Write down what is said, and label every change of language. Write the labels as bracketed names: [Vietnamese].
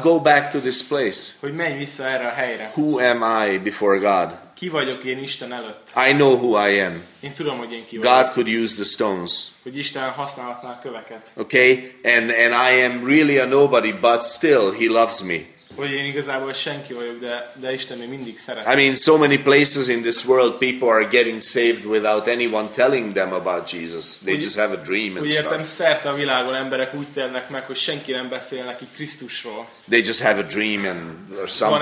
[English] go back to this place. [Hungarian] Hogy menj vissza erre a helyre. [English] Who am I before God? [Hungarian] Ki vagyok én Isten előtt? [English] I know who I am. [Hungarian] Én tudom, hogy én ki vagyok. [English] God could use the stones. [Hungarian] Hogy Isten használhatná a köveket. [English] Okay, and I am really a nobody, but still He loves me. [Hungarian] Hogy én igazából senki vagyok, de Isten még mindig szeret. [English] I mean, so many places in this world, people are getting saved without anyone telling them about Jesus. They just have a dream and stuff. [Hungarian] Úgy értem, szerte a világon emberek úgy telnek meg, hogy senki nem beszél neki Krisztusról. [English] They just have a dream and or something,